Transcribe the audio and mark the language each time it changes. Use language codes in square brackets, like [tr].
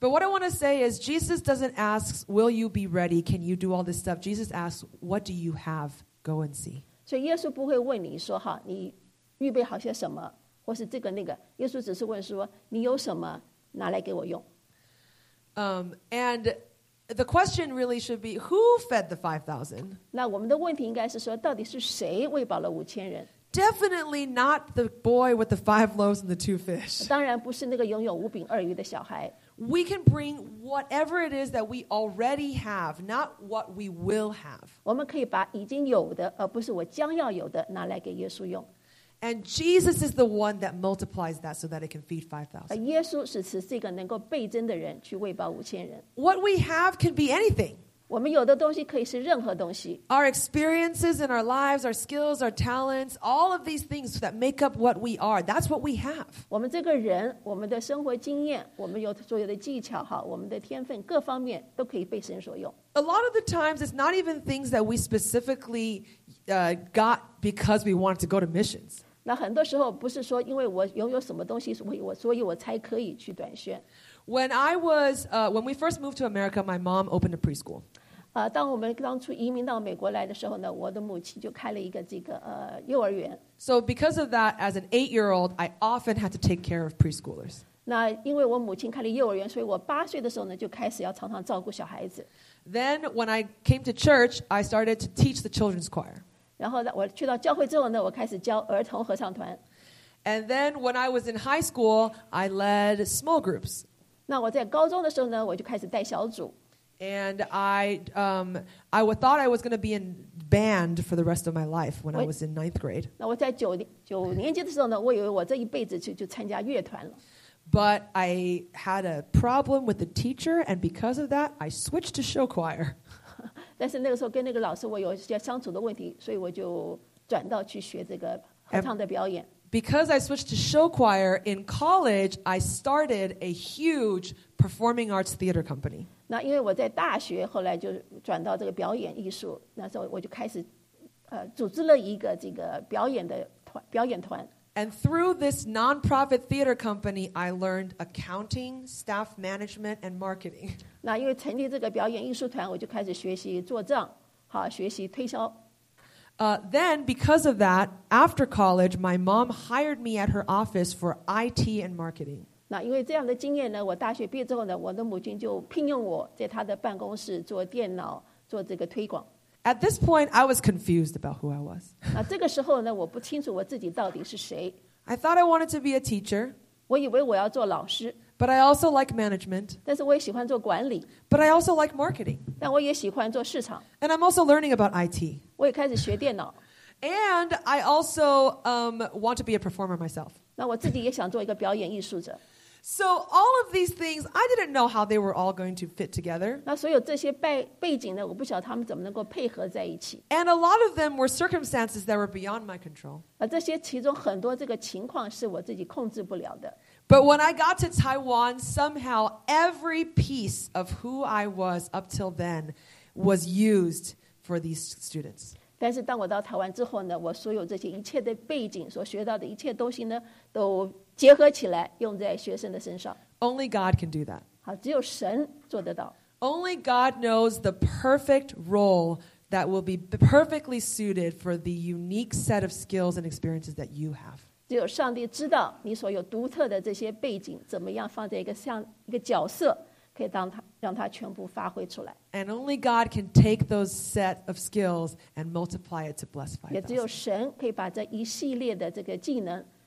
[en] But what I want to say is, Jesus doesn't ask, "Will you be ready? Can you do all this stuff?" Jesus asks, "What do you have? Go and see." [zh] 所以耶稣不会问你说：“哈，你预备好些什么，或是这个那个？” 耶稣只是问说：“你有什么拿来给我用？” [en] And The question really should be, who fed the 5,000? [zh] 那我们的问题应该是说，到底是谁喂饱了五千人？ [en] Definitely not the boy with the five loaves and the two fish. [zh] 当然不是那个拥有五饼二鱼的小孩。 [en] We can bring whatever it is that we already have, not what we will have. [zh] 我们可以把已经有的，而不是我将要有的，拿来给耶稣用。 [en] And Jesus is the one that multiplies that so that it can feed 5,000. [zh] 耶稣是使这个能够倍增的人去喂饱五千人。 [en] What we have can be anything. [zh] 我们有的东西可以是任何东西。 [en] Our experiences in our lives, our skills, our talents, all of these things that make up what we are, that's what we have. [zh] 我们这个人，我们的生活经验，我们有所有的技巧，好，我们的天分，各方面都可以被神所用。 [en] A lot of the times, it's not even things that we specifically got because we wanted to go to missions. [zh] 那很多时候不是说因为我拥有什么东西，所以我才可以去短宣。 [en] When I was, when we first moved to America, my mom opened a preschool. [zh] 当我们当初移民到美国来的时候呢，我的母亲就开了一个这个幼儿园。 [en] So because of that, as an 8-year-old, I often had to take care of preschoolers. [zh] 那因为我母亲开了幼儿园，所以我八岁的时候呢，就开始要常常照顾小孩子。 [en] Then when I came to church, I started to teach the children's choir. [zh] 然后我去到教会之后呢，我开始教儿童合唱团。 [en] And then when I was in high school, I led small groups. [zh] 那我在高中的时候呢，我就开始带小组。 [en] And I thought I was going to be in band for the rest of my life when I was in ninth grade. [zh] 那我在九年级的时候呢，我以为我这一辈子就参加乐团了。 [en] But I had a problem with the teacher, and because of that, I switched to show choir. [zh] 但是那个时候跟那个老师我有一些相处的问题，所以我就转到去学这个合唱的表演。 [en] Because I switched to show choir in college, I started a huge performing arts theater company. [zh] 那因为我在大学后来就转到这个表演艺术，那时候我就开始组织了一个这个表演的团表演团。 [en] And through this non-profit theater company, I learned accounting, staff management, and marketing. [zh] 那因为成立这个表演艺术团，我就开始学习做账，好，学习推销。 [en] Then, because of that, after college, my mom hired me at her office for IT and marketing. [zh] 那因为这样的经验呢，我大学毕业之后呢，我的母亲就聘用我在她的办公室做电脑，做这个推广。 [en] At this point, I was confused about who I was. [zh] 那这个时候呢，我不清楚我自己到底是谁。 [en] I thought I wanted to be a teacher. [zh] 我以为我要做老师。 [en] But I also like management. [zh] 但是我也喜欢做管理。 [en] But I also like marketing. [zh] 但我也喜欢做市场。 [en] And I'm also learning about IT. [zh] 我也开始学电脑。 [en] And I also want to be a performer myself. [zh] 那我自己也想做一个表演艺术者。 [en] So all of these things, I didn't know how they were all going to fit together. [zh] 那所有这些背景呢，我不晓得他们怎么能够配合在一起。 [en] And a lot of them were circumstances that were beyond my control. [zh] 啊，这些其中很多这个情况是我自己控制不了的。 [en] But when I got to Taiwan, somehow every piece of who I was up till then was used for these students. [zh] 但是当我到台湾之后呢，我所有这些一切的背景所学到的一切东西呢，都结合起来用在学生的身上。 [en] Only God can do that. [zh] 好，只有神做得到。 [en] Only God knows the perfect role that will be perfectly suited for the unique set of skills and experiences that you have. [zh] 只有上帝知道你所有独特的这些背景怎么样放在一个角色，可以让它全部发挥出来。 [en] And only God can take those set of skills and multiply it to bless 5,000. [zh] 也只有神可以把这一系列的这个技能。